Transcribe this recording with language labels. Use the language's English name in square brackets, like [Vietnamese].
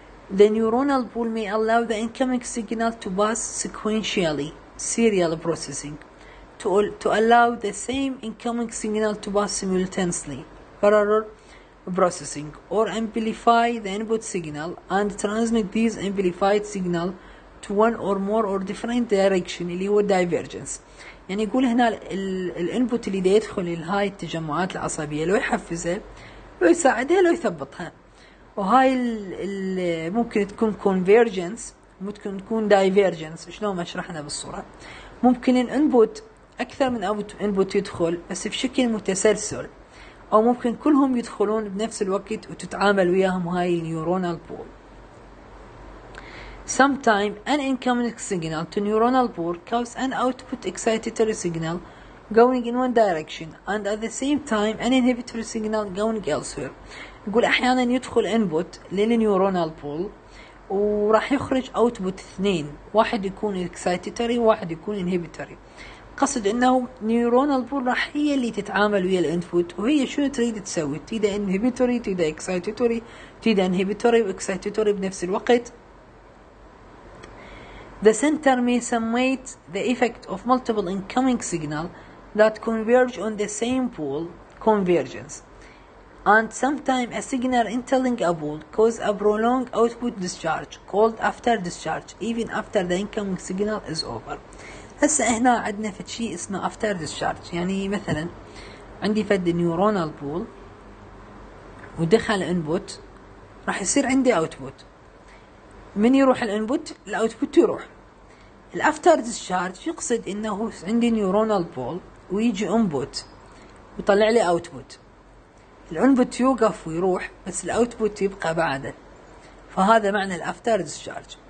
[English] The neuronal ball may allow the incoming signal to pass sequentially, serial processing, to to allow the same incoming signal to pass simultaneously, parallel processing, or amplify the input signal and transmit this amplified signal to one or more or different direction, [Arabic] اللي هو [English] divergence. [Arabic] يعني يقول هنا ال input اللي دا يدخل لهاي التجمعات العصبية لو يحفزها لو يساعدها لو يثبطها. وهاي ال ممكن تكون convergence، ممكن تكون divergence. شلون ما شرحنا بالصورة؟ ممكن ال input أكثر من input يدخل بس بشكل متسلسل، أو ممكن كلهم يدخلون بنفس الوقت وتتعامل وياهم هاي neuronal pool. [English] Sometimes an incoming signal to neuronal pore causes an output excitatory signal going in one direction and at the same time an inhibitory signal going elsewhere. [Arabic] يقول أحيانا يدخل input للneuronal pore وراح يخرج output اثنين، واحد يكون excitatory واحد يكون inhibitory. قصد انه neuronal pore راح هي اللي تتعامل ويا الانبوت، وهي شو تريد تسوي، تريد inhibitory تريد excitatory، تريد inhibitory و excitatory بنفس الوقت. [English] The center may summate the effect of multiple incoming signal that converge on the same pole convergence. And sometimes a signal entering a pole causes a prolonged output discharge called after discharge even after the incoming signal is over. [Arabic] هسه هنا عندنا فد شيء اسمه after discharge، يعني مثلا عندي فد neuronal pole ودخل input راح يصير عندي output. من يروح الانبوت الاوتبوت يروح. الافتر ديسشارج يقصد انه عندي نيورونال بول ويجي انبوت ويطلع لي اوتبوت، الانبوت يوقف ويروح بس الاوتبوت يبقى بعده، فهذا معنى الافتر ديسشارج.